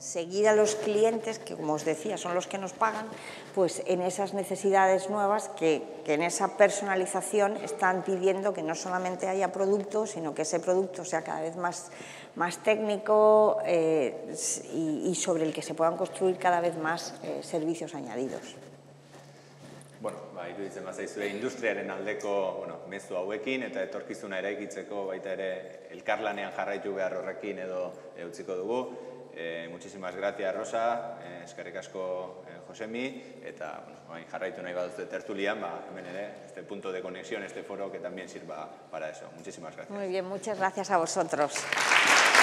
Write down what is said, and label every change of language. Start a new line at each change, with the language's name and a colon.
Spanish: seguir a los clientes, que como os decía, son los que nos pagan, pues en esas necesidades nuevas que en esa personalización están pidiendo que no solamente haya producto, sino que ese producto sea cada vez más técnico y sobre el que se puedan construir cada vez más servicios añadidos.
Basque: Bueno, bai, iruditzen bazaizue industriaren aldeko, bueno, mezu hauekin eta etorkizuna eraikitzeko baita ere elkarlanean jarraitu behar horrekin edo utziko dugu.
Spanish: Muchísimas gracias, Rosa,
Basque: eskerrik asko Josemi, eta bueno, bai, jarraitu nahi baduzte tertulian, ba, hemen ere,
Spanish: este punto de conexión, este foro que también sirva para eso. Muchísimas gracias. Muy bien, muchas gracias a vosotros.